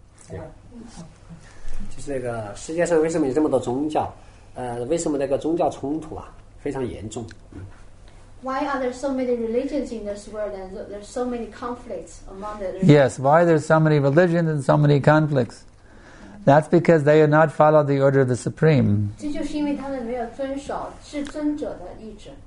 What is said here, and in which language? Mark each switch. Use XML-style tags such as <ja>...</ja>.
<zh>就是那个世界上为什么有这么多宗教，为什么那个宗教冲突啊非常严重。</zh> <en>Why are there so many religions in this world and there's so many conflicts among the religions? Yes, why there's so many religions and so many conflicts? That's because they have not followed the order of the Supreme.</en> <zh>这就是因为他们没有遵守至尊者的意志。</zh>